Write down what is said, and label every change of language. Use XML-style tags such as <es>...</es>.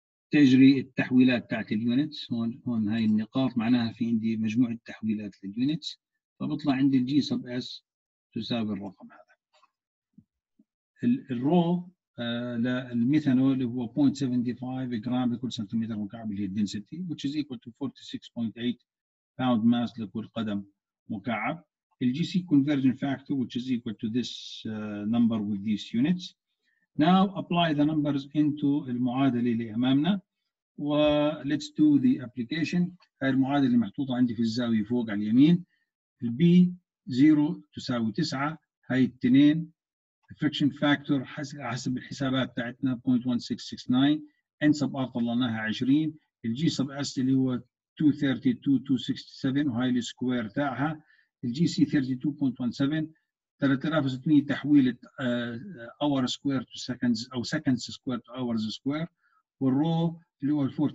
<ar>تجري التحويلات تاعت اليونتس هون هاي النقاط، معناها في عندي مجموعة تحويلات لليونتس، فبطلع عندي الجي سب اس تساوي الرقم هذا. الرو للميثانول هو 0.75 جرام لكل سنتيمتر مكعب اللي هي الدنسيتي،</ar> <en>which is equal to 46.8 pound mass</en> <ar>لكل قدم مكعب. الجي سي</ar> <en>conversion factor which is equal to this number with these units. Now apply the numbers into</en> <ar>المعادلة اللي أمامنا و</ar> <en>let's do the application.</en> <ar>هاي المعادلة محطوطة عندي في الزاوية فوق على اليمين. البي 0 تساوي 9 هاي التنين الفريكشن فاكتور حسب الحسابات تاعتنا 0.1669 ان سب ار طلعناها 20 الجي سب اس اللي هو 232267 وهاي السكوير تاعها الجي سي 32.17 3600 تحويلة اور سكوير تو سكندز او سكندز سكوير تو اورز سكوير والرو اللي هو 46.8</ar>